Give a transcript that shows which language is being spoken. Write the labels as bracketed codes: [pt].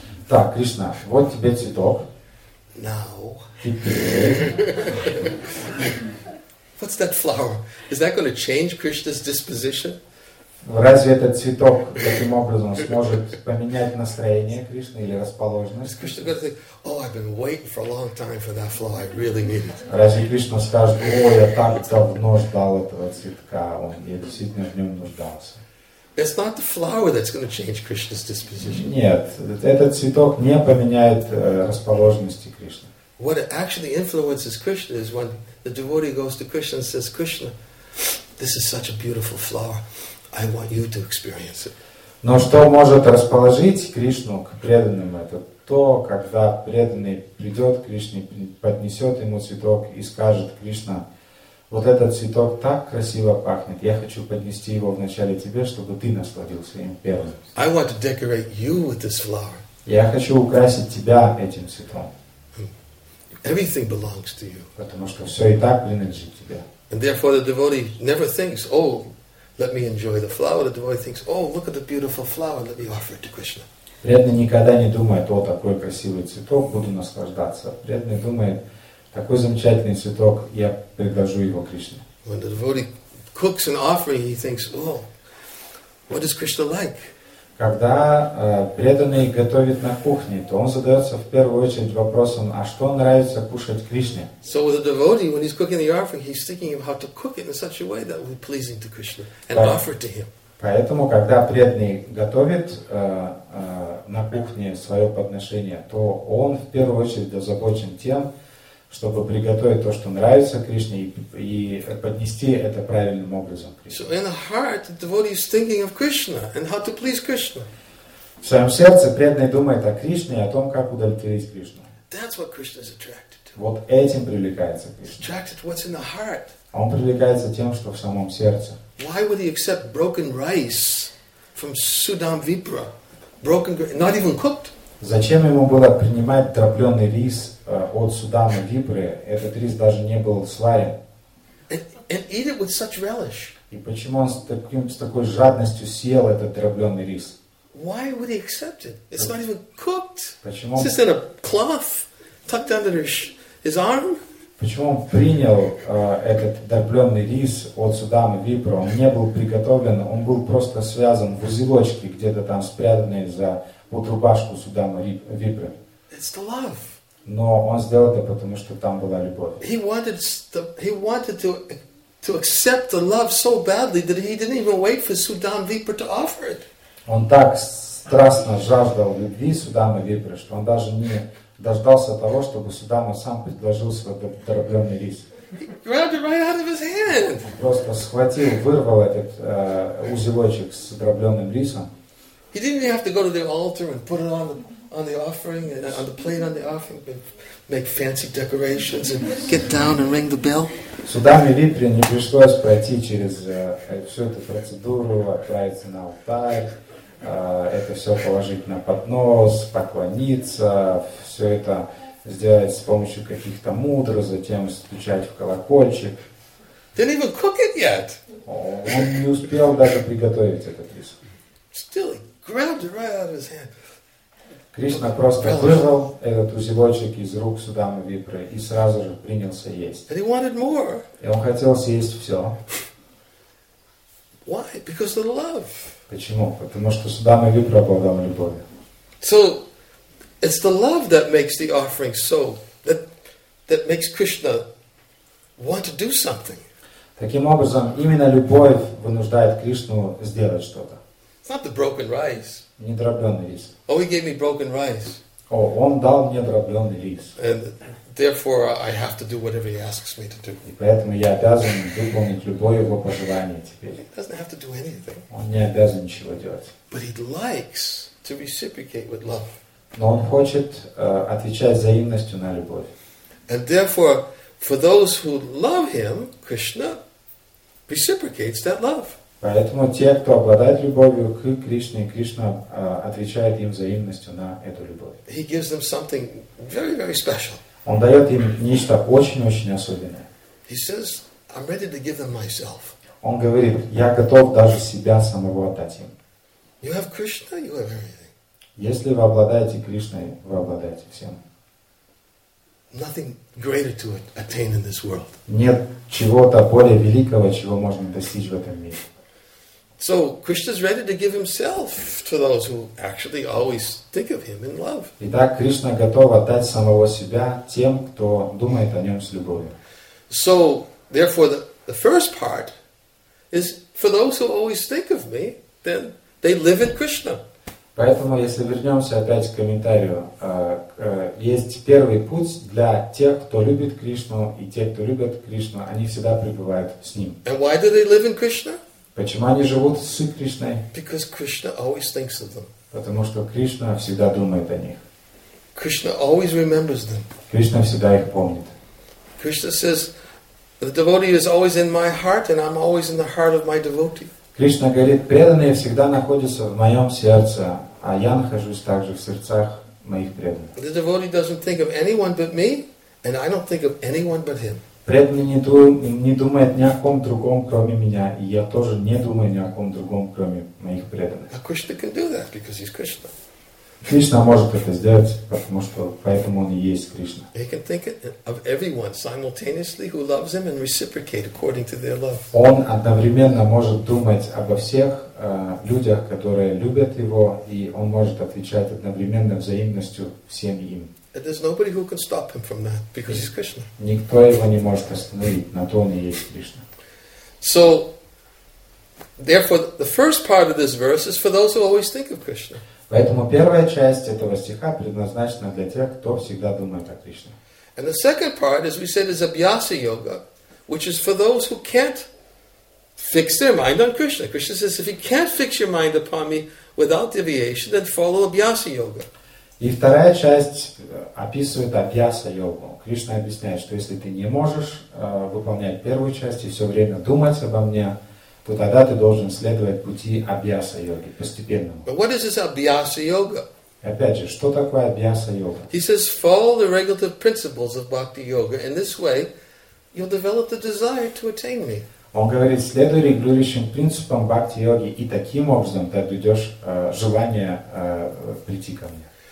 [ru] Так, Кришна, вот тебе цветок. [en] Now. [ru] Теперь. [en] What's that flower? Is that going to change Krishna's disposition? [ru] Разве этот цветок таким образом сможет поменять настроение Кришны или расположенность? [en] Krishna going to think, oh, I've been waiting for a long time for that flower. I really need it. [ru] Разве Кришна скажет, о, я так давно ждал этого цветка, я действительно в нем нуждался? [en] It's not the flower that's going to change Krishna's disposition. [ru] Нет, этот цветок не поменяет расположенности Кришны. [en] What actually influences Krishna is when the devotee goes to Krishna and says, Krishna, this is such a beautiful flower. I want you to experience it. [ru] Но что может расположить Кришну к преданным? Это то, когда преданный придет к Кришне, поднесет ему цветок и скажет, Кришна, вот этот цветок так красиво пахнет. Я хочу поднести его вначале тебе, чтобы ты насладился им первым. [en] I want to decorate you with this flower. [ru] Я хочу украсить тебя этим цветом. [en] Everything belongs to you. [ru] Потому что все и так принадлежит тебе. [en] And therefore the devotee never thinks, oh, let me enjoy the flower. The devotee thinks, oh, look at the beautiful flower. Let me offer it to Krishna. [ru] Преданный никогда не думает, о, такой красивый цветок, буду наслаждаться. Преданный думает, такой замечательный цветок, я предложу его Кришне. [en] When the devotee cooks an offering, he thinks, oh, what does Krishna like? [ru] Когда преданный готовит на кухне, то он задается в первую очередь вопросом, а что нравится кушать Кришне? [en] So with a devotee, when he's cooking the offering, he's thinking of how to cook it in such a way that will be pleasing to Krishna and offer to him. [ru] Поэтому, когда преданный готовит на кухне свое подношение, то он в первую очередь озабочен тем, чтобы приготовить то, что нравится Кришне, и поднести это правильным образом. [en] So in the heart, the devotee is thinking of Krishna and how to please Krishna. [ru] В своем сердце преданный думает о Кришне и о том, как удовлетворить Кришну. [en] That's what Krishna is attracted to. [ru] Вот этим привлекается Кришна. [en] Attracted to what's in the heart. [ru] Он привлекается тем, что в самом сердце. [en] Why would he accept broken rice from Sudam Vipra? Broken, not even cooked. [ru] Зачем ему было принимать дробленый рис от Судамы Вибры? Этот рис даже не был сварен. [en] And eat it with such relish. [ru] И почему он с такой жадностью съел этот дробленый рис? [en] Why would he accept it? It's not even cooked. [ru] Почему? [en] It's just in a cloth tucked under his arm. [ru] Почему он принял этот дробленый рис от Судамы Вибры? Он не был приготовлен, он был просто связан в узелочке, где-то там спрятанный за под рубашку Судамы Вибры. [en] It's the love. [ru] Но он сделал это, потому что там была любовь. [en] He wanted to accept the love so badly that he didn't even wait for Sudam Vipra to offer it. [ru] Он так страстно жаждал любви Судамы Вибры, что он даже не дождался того, чтобы Судама сам предложил свой дробленый рис. [en] He grabbed it right out of his hand. [ru] Он просто схватил, вырвал этот узелочек с дробленым рисом. [en] He didn't have to go to the altar and put it on the offering and on the plate on the offering and make fancy decorations and get down and ring the bell. [ru] Судаме Вибре не пришлось пройти через всю эту процедуру, отправиться на алтарь, это все положить на поднос, поклониться, все это сделать с помощью каких-то мудр, затем стучать в колокольчик. [en] Didn't even cook it yet. [ru] Он не успел даже приготовить этот рис. [en] Still. Grabbed it right out of his hand. [ru] Кришна просто вырвал этот узелочек из рук Судамы Випры и сразу же принялся есть. [en] And he wanted more. [ru] И он хотел съесть все. [en] Why? Because of love. [ru] Почему? Потому что Судама Випра обладал любовью. [en] So it's the love that makes the offering so that makes Krishna want to do something. [ru] Таким образом, именно любовь вынуждает Кришну сделать что-то. [en] Not the broken rice. [ru] Не дробленый рис. [en] Oh, he gave me broken rice. [ru] О, он дал мне дробленый рис. [en] And therefore, I have to do whatever he asks me to do. [ru] И поэтому я обязан выполнить любое его пожелание теперь. [en] He doesn't have to do anything. [ru] Он не обязан ничего делать. [en] But he likes to reciprocate with love. [ru] Но он хочет отвечать взаимностью на любовь. [en] And therefore, for those who love him, Krishna reciprocates that love. [ru] Поэтому те, кто обладает любовью к Кришне, Кришна отвечает им взаимностью на эту любовь. [en] He gives them something very, very special. [ru] Он дает им нечто очень-очень особенное. [en] He says, I'm ready to give them myself. [ru] Он говорит, я готов даже себя самого отдать им. [en] You have Krishna, you have everything. [ru] Если вы обладаете Кришной, вы обладаете всем. [en] Nothing greater to attain in this world. [ru] Нет чего-то более великого, чего можно достичь в этом мире. [en] So Krishna is ready to give himself to those who actually always think of him in love. [ru] Итак, Кришна готов отдать самого себя тем, кто думает о нем с любовью. [en] So therefore, the first part is for those who always think of me, then they live in Krishna. [ru] Поэтому, если вернемся опять к комментарию, есть первый путь для тех, кто любит Кришну, и те, кто любят Кришну, они всегда пребывают с ним. [en] And why do they live in Krishna? [ru] Почему они живут с Кришной? [en] Because Krishna always thinks of them. [ru] Потому что Кришна всегда думает о них. [en] Krishna always remembers them. [ru] Кришна всегда их помнит. [en] Krishna says, the devotee is always in my heart, and I'm always in the heart of my devotee. [ru] Кришна говорит, преданные всегда находятся в моем сердце, а я нахожусь также в сердцах моих преданных. [en] The devotee doesn't think of anyone but me, and I don't think of anyone but him. [ru] Преданный не думает ни о ком другом, кроме меня, и я тоже не думаю ни о ком другом, кроме моих преданных. [en] But Krishna can do that because he's Krishna. [ru] Кришна может это сделать, потому что поэтому он и есть Кришна. [en] He can think of everyone simultaneously who loves him and reciprocate according to their love. [ru] Он одновременно может думать обо всех людях, которые любят его, и он может отвечать одновременно взаимностью всем им. [en] And there's nobody who can stop him from that because he's Krishna. [ru] Никто его не может остановить, на то он и есть Кришна. [en] So, therefore, the first part of this verse is for those who always think of Krishna. [ru] Поэтому первая часть этого стиха предназначена для тех, кто всегда думает о Кришне. [en] And the second part, as we said, is abhyasa yoga, which is for those who can't fix their mind on Krishna. Krishna says, if you can't fix your mind upon me without deviation, then follow abhyasa yoga. [ru] И вторая часть описывает абьяса йогу. Кришна объясняет, что если ты не можешь выполнять первую часть и все время думать обо мне, то тогда ты должен следовать пути абьяса йоги постепенно. [en] But what is this абьяса йога? [ru] Опять же, что такое абьяса йога? [en] He says, follow the regulative principles of bhakti yoga, and this way you'll develop the desire to attain me. [ru] Он говорит, следуй регулирующим принципам бхакти йоги, и таким образом ты обретешь желание прийти ко мне.